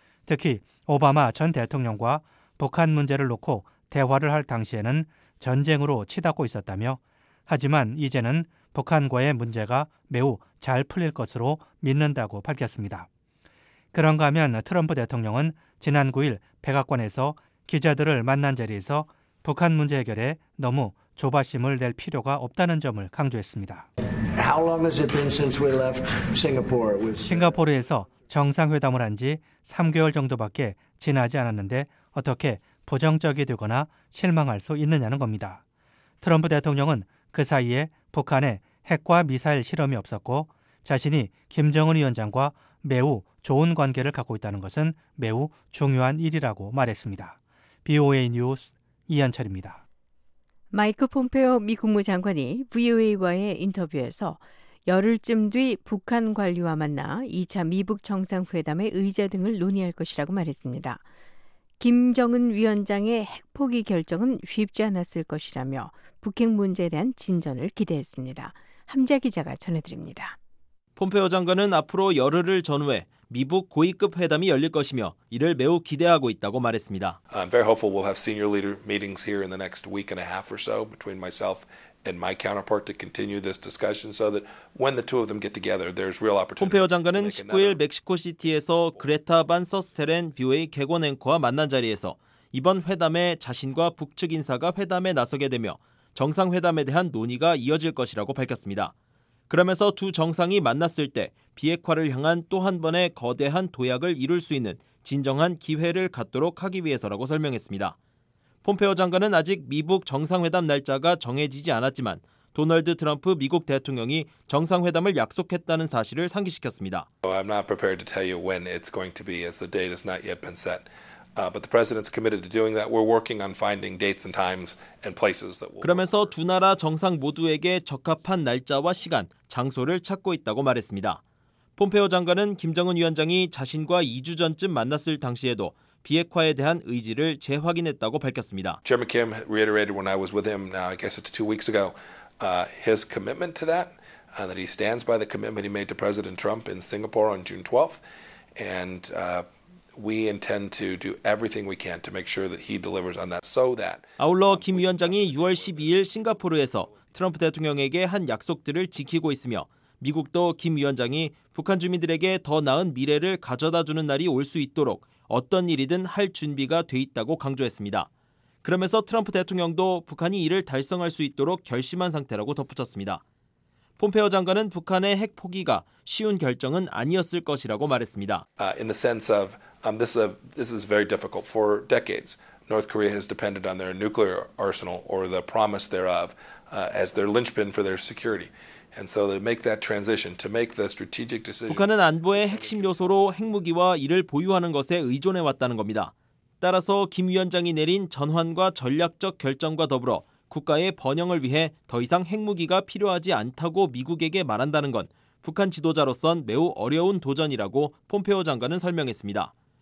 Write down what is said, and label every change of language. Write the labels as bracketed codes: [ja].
[ko] 특히 오바마 전 대통령과 북한 문제를 놓고 대화를 할 당시에는 전쟁으로 치닫고 있었다며 하지만 이제는 북한과의 문제가 매우 잘 풀릴 것으로 믿는다고 밝혔습니다. 그런가 하면 트럼프 대통령은 지난 9일 백악관에서 기자들을 만난 자리에서 북한 문제 해결에 너무 조바심을 낼 필요가 없다는 점을 강조했습니다. [en] How long has it been since we left Singapore? [ko] 싱가포르에서 정상회담을 한 지 3개월 정도밖에 지나지 않았는데 어떻게 부정적이 되거나 실망할 수 있느냐는 겁니다. 트럼프 대통령은 그 사이에 북한에 핵과 미사일 실험이 없었고 자신이 김정은 위원장과 매우 좋은 관계를 갖고 있다는 것은 매우 중요한 일이라고 말했습니다. BOA 뉴스 이한철입니다. 마이크 폼페오 미 국무장관이 VOA와의 인터뷰에서 열흘쯤 뒤 북한 관료와 만나 2차 미북 정상회담의 의제 등을 논의할 것이라고 말했습니다. 김정은 위원장의 핵 포기 결정은 쉽지 않았을 것이라며 북핵 문제에 대한 진전을 기대했습니다. 함자 기자가 전해드립니다. 폼페오 장관은 앞으로 열흘을 전후에 미북 고위급 회담이 열릴 것이며 이를 매우 기대하고 있다고 말했습니다. [en] I'm very hopeful we'll have senior leader meetings here in the next week and a half or so between myself and my counterpart to continue this discussion so that when the two of them get together there's real opportunity. [ko] 폼페오 장관은 19일 멕시코 시티에서 그레타 반 서스테렌 뷰의 객원 앵커와 만난 자리에서 이번 회담에 자신과 북측 인사가 회담에 나서게 되며 정상회담에 대한 논의가 이어질 것이라고 밝혔습니다. 그러면서 두 정상이 만났을 때 비핵화를 향한 또 한 번의 거대한 도약을 이룰 수 있는 진정한 기회를 갖도록 하기 위해서라고 설명했습니다. 폼페오 장관은 아직 미북 정상회담 날짜가 정해지지 않았지만 도널드 트럼프 미국 대통령이 정상회담을 약속했다는 사실을 상기시켰습니다. [en] I'm not prepared to tell you when it's going to be as the date has not yet been set. But the president's committed to doing that. We're working on finding dates and times and places that will [ko] 그러면서 두 나라 정상 모두에게 적합한 날짜와 시간, 장소를 찾고 있다고 말했습니다. 폼페오 장관은 김정은 위원장이 자신과 2주 전쯤 만났을 당시에도 비핵화에 대한 의지를 재확인했다고 밝혔습니다. [en] Chairman Kim reiterated when I was with him, now I guess it's 2 weeks ago, his commitment to that, and that he stands by the commitment he made to President Trump in Singapore on June 12th, and we intend to do everything we can to make sure that he delivers on that, so that. [ko] 아울러 김 위원장이 6월 12일 싱가포르에서 트럼프 대통령에게 한 약속들을 지키고 있으며. 미국도 김 위원장이 북한 주민들에게 더 나은 미래를 가져다주는 날이 올 수 있도록 어떤 일이든 할 준비가 돼 있다고 강조했습니다. 그러면서 트럼프 대통령도 북한이 이를 달성할 수 있도록 결심한 상태라고 덧붙였습니다. 폼페오 장관은 북한의 핵 포기가 쉬운 결정은 아니었을 것이라고 말했습니다. [en] In the sense of this is very difficult for decades. North Korea has depended on their nuclear arsenal or the promise thereof as their linchpin for their security. And so to make that transition, to make the strategic decision. [ko] 북한은 안보의 핵심 요소로 핵무기와 이를 보유하는 것에 의존해 왔다는 겁니다. 따라서 김 위원장이 내린 전환과 전략적 결정과 더불어 국가의 번영을 위해 더 이상 핵무기가 필요하지 않다고 미국에게 말한다는 건 북한 지도자로선 매우 어려운 도전이라고 폼페오 장관은 설명했습니다.